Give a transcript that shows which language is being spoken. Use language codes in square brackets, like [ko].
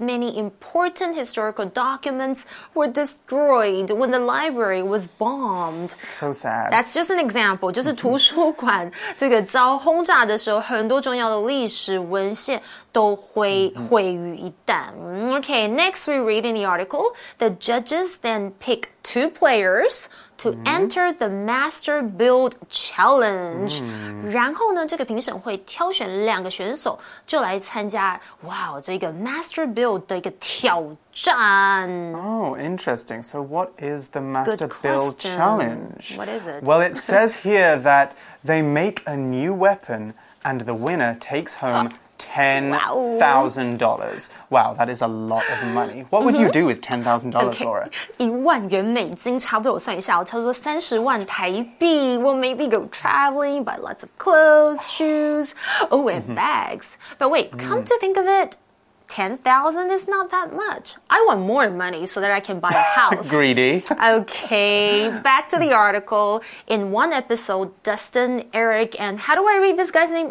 [en] Many important historical documents were destroyed when the library was bombed. So sad. That's just an example. [zh] 就是图书馆这个遭轰炸的时候，很多重要的历史文献都毁于一旦。 [en] Okay, next we read in the article, the judges then pick two players to enter the Master Build Challenge. [zh] 然后呢，这个评审会挑选两个选手就来参加，哇，这个 Master Build 的一个挑战。 [en] Oh, interesting. So what is the Master Build Challenge? What is it? Well, it says here that they make a new weapon and the winner takes home $10,000. Wow, that is a lot of money. What would you do with $10,000, Laura? [zh] 一万元美金，差不多我算一下，差不多30万台币。 [en] Well, maybe go traveling, buy lots of clothes, shoes, oh, and bags. But wait, come to think of it, $10,000 is not that much. I want more money so that I can buy a house. Greedy. Okay, back to the article. In one episode, Dustin, Eric, and how do I read this guy's name?